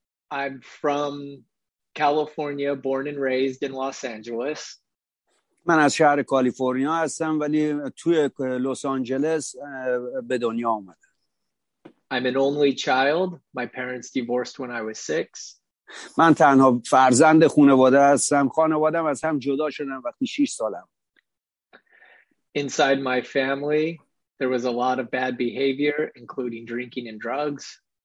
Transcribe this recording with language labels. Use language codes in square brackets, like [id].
[en] I'm from California, born and raised in Los Angeles. [fa] من از شهر کالیفرنیا هستم ولی توی لس آنجلس به دنیا اومدم. [en] I'm an only child. My parents divorced when I was 6. [fa] من تنها فرزند خانواده هستم. خانواده‌ام از هم جدا شدن وقتی 6 سالم. [en] Inside my family, there was a lot of bad behavior, including drinking and drugs.